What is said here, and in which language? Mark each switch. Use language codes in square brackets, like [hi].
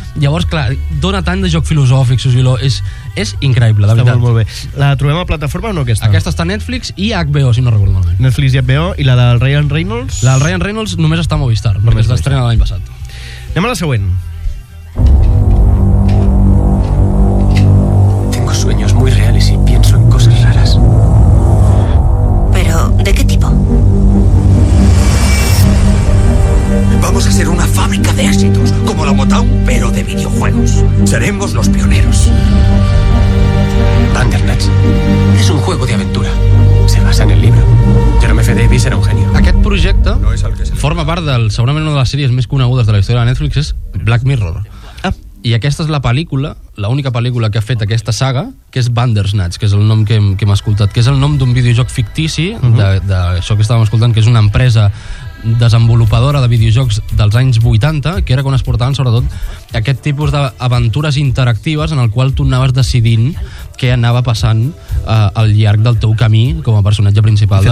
[ca] Llavors, clar, dona tant de joc filosòfic, Susilo, és increïble, de està veritat. Està molt, molt bé. La trobem a plataforma o no, aquesta? Aquesta està a Netflix i HBO, si no recordo malament. Netflix i HBO, i la del Ryan Reynolds? La del Ryan Reynolds només està a Movistar, només perquè es d'estrena l'any passat. Anem a la següent. [es] Tengo sueños muy reales y pienso en cosas raras. ¿De qué tipo? Vamos a ser una fábrica de éxitos, como la Motown, pero de videojuegos. Seremos los pioneros. Bandersnatch es un juego de aventura. Se basa en el libro. Jeremy Davis era un genio. [ca] Aquest projecte no és el que forma part del, segurament una de les sèries més conegudes de la història de Netflix, és Black Mirror. I aquesta és la pel·lícula, l'única pel·lícula que ha fet aquesta saga, que és Bandersnatch, que és el nom que hem escoltat, que és el nom d'un videojoc fictici, d'això que estàvem escoltant, que és una empresa desenvolupadora de videojocs dels anys 80, que era quan es portaven sobretot aquest tipus d'aventures interactives en el qual tu anaves decidint què anava passant al llarg del teu camí com a personatge principal.